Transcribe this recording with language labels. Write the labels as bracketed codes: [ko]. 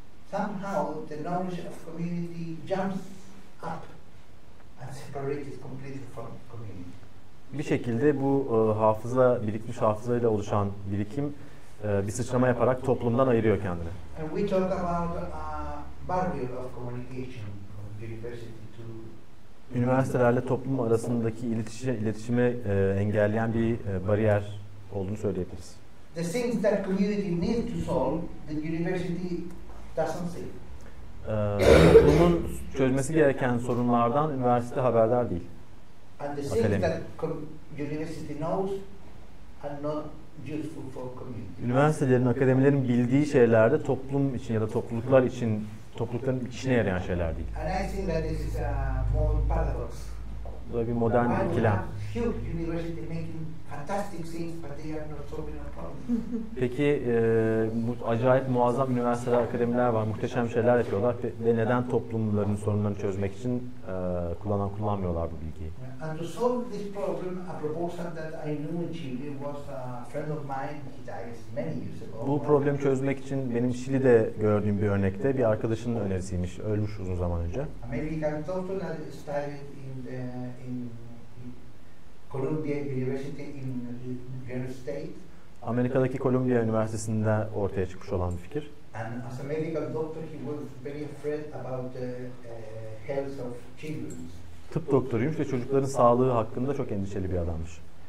[en] Somehow the knowledge of community jumps up and separates completely from community. [tr] Bir şekilde bu hafıza, birikmiş hafızayla oluşan birikim bir sıçrama yaparak toplumdan ayırıyor kendini. [en] And we talk about barrier of communication from university to [tr] üniversitelerle toplum arasındaki iletişime engelleyen bir bariyer olduğunu söyleyebiliriz. [en] The things that community need to solve, the university doesn't see. [tr] Bunun çözmesi gereken sorunlardan üniversite haberdar değil. [en] And the things that university knows are not useful for community. [tr] Üniversitelerin, akademilerin bildiği şeyler de toplum için ya da topluluklar için, toplulukların içine yarayan şeyler değil. [en] And I think that this is a modern paradox. [tr] Bu da bir modern ikilem. [en] Huge university making fantastic things, but they are not solving a problem. [tr] Peki bu acayip muazzam üniversiteler, akademiler var, muhteşem şeyler yapıyorlar ve neden toplumların sorunlarını çözmek için kullanmıyorlar bu bilgiyi? [en] And to solve this problem, a proposal that I knew in Chile was a friend of mine, he died many years ago. [tr] Bu problemi çözmek için benim Şili'de gördüğüm bir örnekte bir arkadaşının önerisiymiş, ölmüş uzun zaman önce. [en] American doctor had studied in Columbia University in New York State. [tr] Amerika'daki Columbia Üniversitesi'nde ortaya çıkmış olan bir fikir. [en] And as a medical doctor, he was very afraid about the health of children. [tr] Tıp doktoruymuş ve çocukların sağlığı hakkında çok endişeli bir adammış.